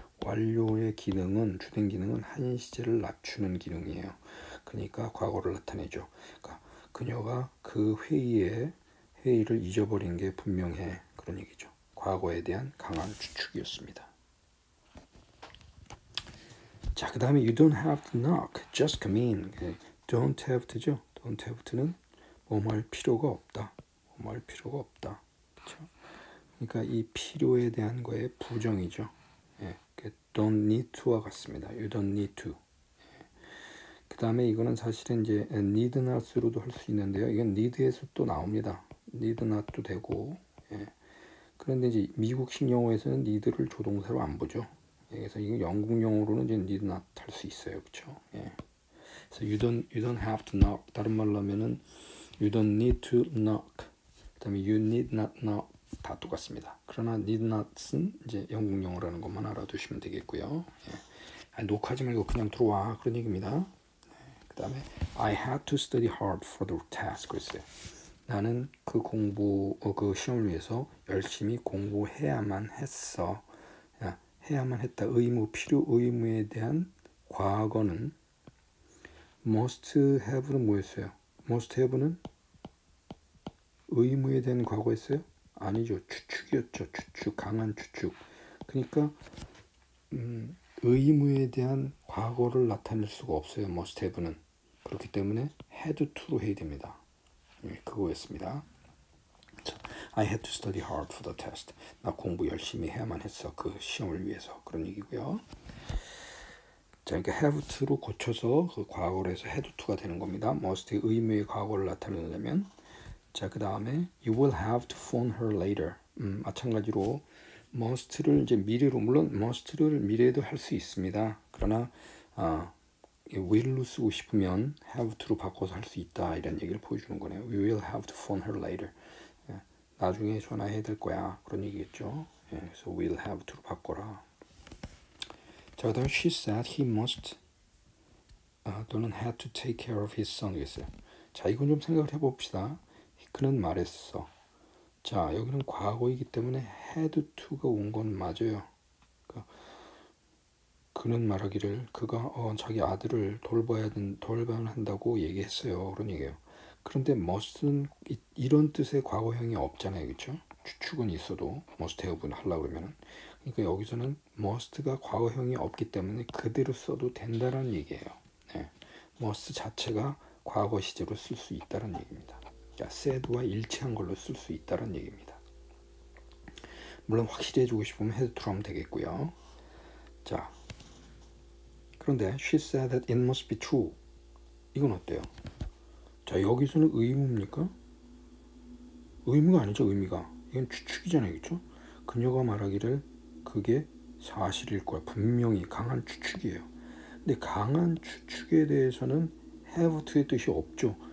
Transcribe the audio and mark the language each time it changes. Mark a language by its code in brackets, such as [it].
[ko] 완료의 기능은 주된 기능은 한 시제를 낮추는 기능이에요. 그러니까 과거를 나타내죠. 그러니까 그녀가 그 회의를 잊어버린 게 분명해. 그런 얘기죠. 과거에 대한 강한 추측이었습니다. 자, 그 다음에 [en] you don't have to knock. just come in. don't have to죠. Don't have to [ko] 는 뭐뭐 할 필요가 없다. 뭐뭐 할 필요가 없다. 그쵸? 그러니까 이 필요에 대한 거에 부정이죠. 예. [en] Don't need to [ko] 와 같습니다. [en] You don't need to. 예. [ko] 그 다음에 이거는 사실은 이제 need not으로도 할 수 있는데요. 이건 need에서 또 나옵니다. need not도 되고. 예. 그런데 이제 미국식 영어에서는 need를 조동사로 안 보죠. 예. 그래서 이거 영국 영어로는 이제 need not 할 수 있어요. 그쵸? 예. [en] So you don't have to knock. [ko] 다른 말로 하면은 [en] you don't need to knock. [ko] 그다음에 [en] you need not knock [ko] 다 똑같습니다. 그러나 need not은 이제 영국 영어라는 것만 알아두시면 되겠고요. 예. 아니, 녹하지 말고 그냥 들어와 그런 얘기입니다. 예. 그다음에 [en] I had to study hard for the test. [ko] 그랬어요. 나는 그 공부 그 시험을 위해서 열심히 공부해야만 했어. 야, 해야만 했다. 의무 필요 의무에 대한 과거는 must have는 뭐였어요? must have는 의무에 대한 과거였어요? 아니죠. 추측이었죠. 추측. 강한 추측. 그러니까 의무에 대한 과거를 나타낼 수가 없어요. must have는. 그렇기 때문에 had to로 해야 됩니다. 예, 그거였습니다. [en] I had to study hard for the test. [ko] 나 공부 열심히 해야만 했어. 그 시험을 위해서. 그런 얘기고요. 자, 그러니까 have to로 고쳐서 그 과거로 해서 had to가 되는 겁니다. must의 의무의 과거를 나타내려면. 자, 그 다음에 [en] you will have to phone her later. [ko] 마찬가지로 must를 이제 미래로, 물론 must를 미래에도 할 수 있습니다. 그러나 will로 쓰고 싶으면 have to로 바꿔서 할 수 있다. 이런 얘기를 보여주는 거네요. [en] we will have to phone her later. [ko] 예, 나중에 전화해야 될 거야. 그런 얘기겠죠. 예, 그래서 will have to로 바꿔라. 자, 그 다음에 [en] she said he must [ko] 또는 [en] had to take care of his son. [ko] 자, 이건 좀 생각을 해봅시다. 그는 말했어. 자, 여기는 과거이기 때문에 had to가 온건 맞아요. 그는 말하기를 그가 자기 아들을 돌봐야 한다고 얘기했어요. 그런 얘기예요. 그런데 must은 이런 뜻의 과거형이 없잖아요. 그렇죠? 추측은 있어도 must have 하려고 그러면은 그러니까 여기서는 must가 과거형이 없기 때문에 그대로 써도 된다는 얘기예요. 네. must 자체가 과거 시제로 쓸수 있다는 얘기입니다. 그러니까 said와 일치한 걸로 쓸수 있다는 얘기입니다. 물론 확실히 해주고 싶으면 head to로 하면 되겠고요. 자, 그런데 [en] she said that it must be true. [ko] 이건 어때요? 자, 여기서는 의무입니까? 의무가 아니죠, 의미가. 이건 추측이잖아요, 그렇죠? 그녀가 말하기를 그게 사실일 거야. 분명히 강한 추측이에요. 근데 강한 추측에 대해서는 have to의 뜻이 없죠.